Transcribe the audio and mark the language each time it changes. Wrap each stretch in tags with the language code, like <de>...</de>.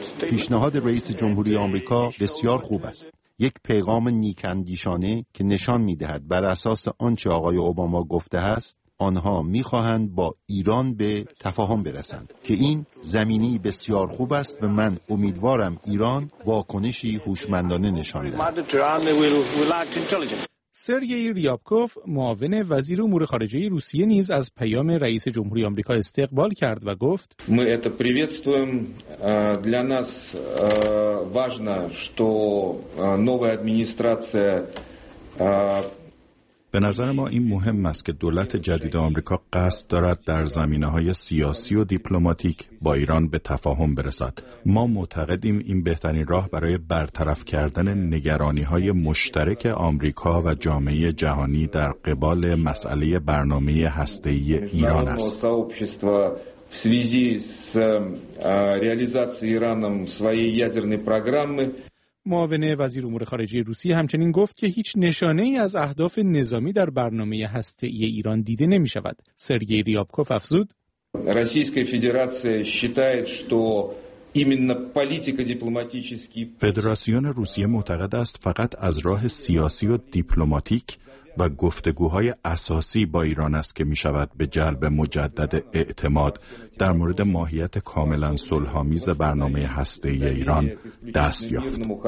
<fa>پیشنهاد رئیس جمهوری آمریکا بسیار خوب است. یک پیغام نیک‌اندیشانه که نشان می‌دهد بر اساس آنچه آقای اوباما گفته است، آنها می‌خواهند با ایران به تفاهم برسند، که این زمینه بسیار خوب است و من امیدوارم ایران واکنشی هوشمندانه نشان دهد. سرگئی ریابکوف، معاون وزیر امور خارجه روسیه، نیز از پیام رئیس جمهوری آمریکا استقبال کرد و گفت: ما</fa> <ru>это приветствуем. Для нас важно, что новая администрация</ru> <fa>به نظر ما این مهم است که دولت جدید آمریکا قصد دارد در زمینه‌های سیاسی و دیپلماتیک با ایران به تفاهم برسد. ما معتقدیم این بهترین راه برای برطرف کردن نگرانی‌های مشترک آمریکا و جامعه جهانی در قبال مسئله برنامه هسته‌ای ایران است.</fa> <ru>В связи с реализацией Ираном своей ядерной программы.</ru> <fa>معاون وزیر امور خارجه روسیه همچنین گفت که هیچ نشانه ای از اهداف نظامی در برنامه هسته‌ای ایران دیده نمی شود. سرگئی ریابکوف افزود:</fa> <ru>Российская Федерация считает, что именно политика дипломатический</ru> <fa>فدراسیون روسیه معتقد است فقط از راه سیاسی و دیپلماتیک و گفتگوهای اساسی با ایران است که می شود به جلب مجدد اعتماد در مورد ماهیت کاملا صلح‌آمیز برنامه هسته‌ای ایران دست یافت.</fa>